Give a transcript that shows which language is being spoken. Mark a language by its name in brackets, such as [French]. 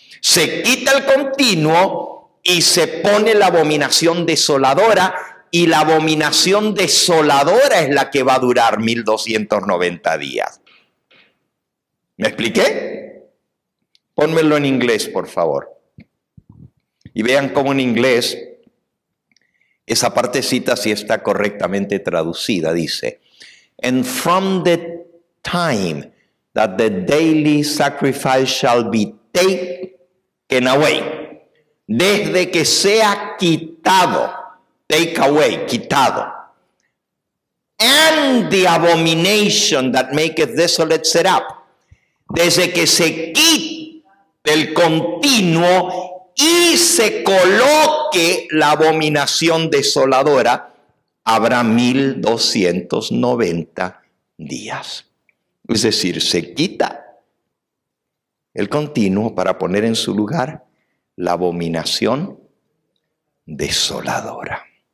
[Spanish] Se quita el continuo y se pone la abominación desoladora, y la abominación desoladora es la que va a durar 1290 días. ¿Me expliqué? Pónmelo en inglés, por favor. Y vean cómo en inglés esa partecita sí está correctamente traducida. [English] Dice, and from the time that the daily sacrifice shall be taken away. [Spanish] Desde que sea quitado, [English] take away, [Spanish] quitado. [English] And the abomination that maketh desolate set up. [Spanish] Desde que se quite el continuo y se coloque la abominación desoladora, habrá 1290 días. Es decir, se quita el continuo para poner en su lugar la abominación desoladora.